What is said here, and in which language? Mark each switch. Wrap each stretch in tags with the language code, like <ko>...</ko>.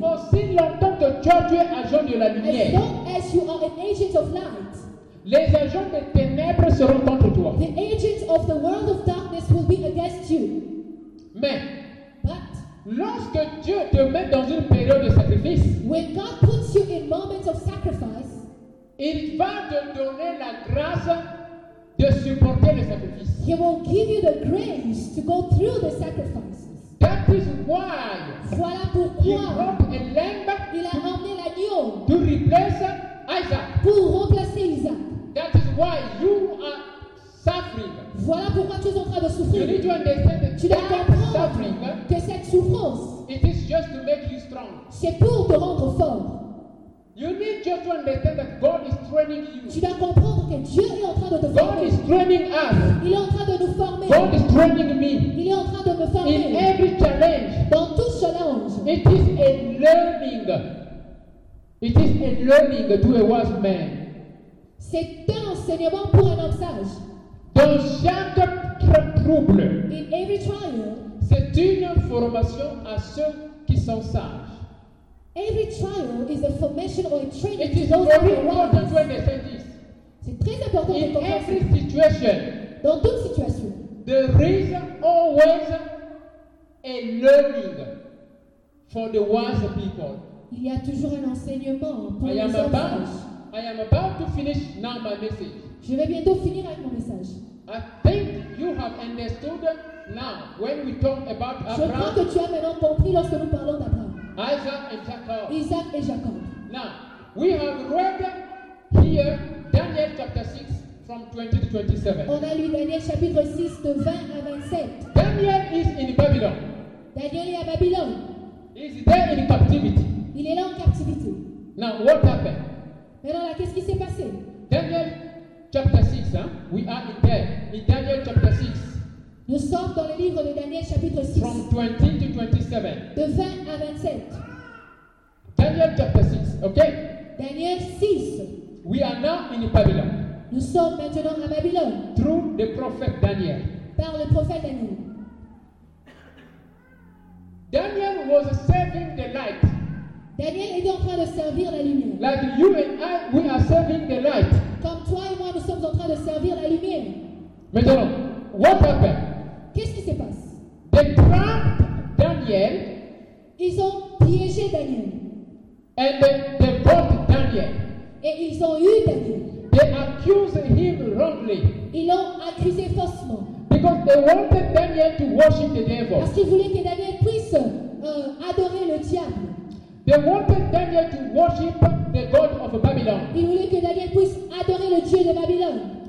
<fr>Aussi longtemps que tu es agent de la lumière.</fr> <en>As long as you are an agent of light.</en> <fr>Les agents des ténèbres seront contre toi.</fr> <en>The agents of the world of darkness will be against you.</en> <fr>Mais.</fr> <en>But.</en> <fr>Lorsque Dieu te met dans une période de sacrifice.</fr> <en>When God puts you in moments of sacrifice.</en> <fr>Il va te donner la grâce de supporter le sacrifice.</fr> <en>He will give you the grace to go through the sacrifice. That is why.</en> <fr>Voilà pourquoi.</fr> <en>He brought a lamb.</en> <fr>Il a ramené l'agneau.</fr> <en>To replace Isaac.</en> <fr>Pour remplacer Isaac.</fr> <en>That is why you are suffering.</en> <fr>Voilà pourquoi tu es en train de souffrir.</fr> <en>You need to understand that.</en> <fr>Tu dois comprendre suffering, que cette souffrance.</fr> <en>It is just to make you strong.</en> <fr>C'est pour te rendre fort.</fr> <en>You need just to understand that God is training you.</en> <fr>Tu dois comprendre que Dieu est en train de te former.</fr> <en>God is training us.</en> <fr>Il est en train de nous former.</fr> <en>God is training me.</en> <fr>Il est en train de me former.</fr> <en>In every challenge.</en> <fr>Dans tout challenge.</fr> <en>It is a learning. It is a learning to a wise man.</en> <fr>C'est un enseignement pour un homme sage. Dans chaque trouble.</fr> <en>In every trial.</en> <fr>C'est une formation à ceux qui sont sages.</fr> <en>Every trial is a formation or a training. It is very important to understand this.</en> <fr>C'est très important</fr> <en>in</en> <fr>de comprendre.</fr> <en>Every situation,</en> <fr>dans toute situation,</fr> <en>there is always a learning for the wise people.</en> <fr>Il y a toujours un enseignement pour les sages.</fr> <en>I am about to finish now my message.</en> <fr>Je vais bientôt finir avec mon message.</fr> <en>I think you have understood now when we talk about Abraham.</en> <fr>Je crois que tu as maintenant compris lorsque nous parlons d'Abraham.</fr> <en>Isaac and Jacob.</en> <fr>Isaac et Jacob.</fr> <en>Now, we have read here Daniel chapter 6 from 20 to 27.</en> <fr>On a lu Daniel chapitre 6 de 20 à 27.</fr> <en>Daniel is in Babylon.</en> <fr>Daniel est à Babylone.</fr> <en>He is there in captivity.</en> <fr>Il est là en captivité.</fr> <en>Now, what happened?</en> <fr>Maintenant là, qu'est-ce qui s'est passé?</fr> <en>Daniel chapter 6, hein? We are in there. In Daniel chapter 6.</en> <fr>Nous sommes dans le livre de Daniel chapitre 6.</fr> <en>From 20 to 27.</en> <fr>De 20 à 27.</fr> <en>Daniel chapter 6, okay?</en> <fr>Daniel 6.</fr> <en>We are now in Babylon.</en> <fr>Nous sommes maintenant à Babylone.</fr> <en>Through the prophet Daniel.</en> <fr>Par le prophète Daniel.</fr> <en>Daniel was serving the light.</en> <fr>Daniel était en train de servir la lumière.</fr> <en>Like you and I, we are serving the light.</en> <fr>Comme toi et moi, nous sommes en train de servir la lumière.</fr> <en>Maintenant, what happened?</en> <fr>Qu'est-ce qui se passe?</fr> <en>They trapped Daniel.</en> <fr>Ils ont piégé Daniel.</fr> <en>And they brought Daniel.</en> <fr>Et ils ont eu Daniel.</fr> <en>They accused him wrongly.</en> <fr>Ils l'ont accusé faussement.</fr> <en>Because they wanted Daniel to worship the devil.</en> <fr>Parce qu'ils voulaient que Daniel puisse adorer le diable.</fr> <en>They wanted Daniel to worship the god of Babylon.</en> <fr>Ils voulaient que Daniel puisse adorer le dieu de Babylone.</fr>